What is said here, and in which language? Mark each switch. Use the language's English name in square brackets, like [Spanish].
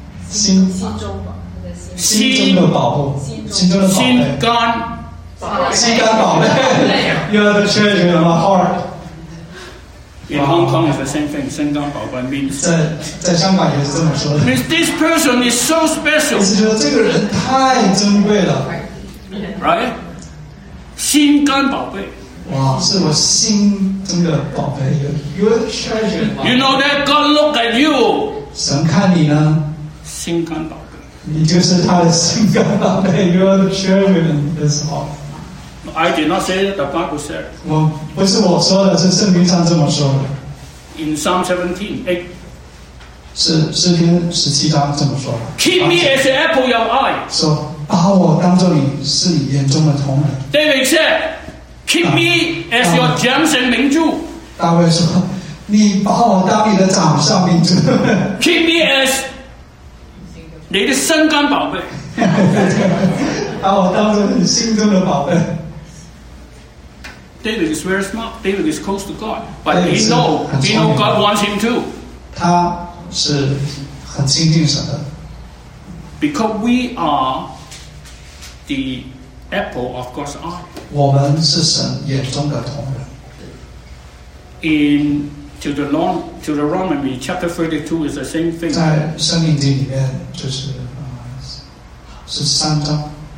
[Chinese] 心中的宝物，心中的宝贝，心肝宝贝。 [English] You're the treasure of my heart. In Hong Kong, it's the same thing. 心肝宝贝 means [Chinese] 在香港也是这么说的。 [English] Means this person is so special. [Chinese] 是说这个人太珍贵了 [English] ，right? 心肝宝贝。 [Chinese] 哇，是我心中的宝贝。 [English] You're the treasure. You know that God look at you. [Chinese] 神看你呢，心肝宝贝。你就是他的心肝宝贝。 [English] You're the treasure in this heart. I did not say that the Bible said. [Chinese] 我不是我说的，是圣经上这么说的。 [English] In Psalm 17, 8. [Chinese] 是诗篇十七章这么说的。 [English] Keep me as an apple of your eye. [Chinese] 说把我当作你是你眼中的瞳仁。 [English] David said, Keep me as your 掌上明珠。 [Chinese] 大卫说，你把我当你的掌上明珠。 [English] Keep me as [Chinese] 你的心肝宝贝。把我当作你心中的宝贝。 [English] David is very smart. David is close to God, but he knows God wants him too. [Chinese] 他是很亲近神的。 [English] Because we are the apple of God's eye. [Chinese] 我们是神眼中的瞳仁。 [English] In Deuteronomy chapter 32 is the same thing. [Chinese] 在申命记里面就是是三章。